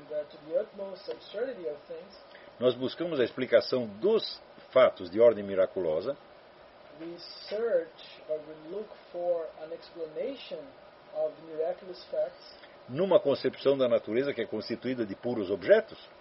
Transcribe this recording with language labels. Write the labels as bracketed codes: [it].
[en] to the utmost absurdity of things, [pt] nós buscamos a explicação dos fatos de ordem miraculosa. [en] We search or we look for an explanation of miraculous facts. [pt] Numa concepção da natureza que é constituída de puros objetos.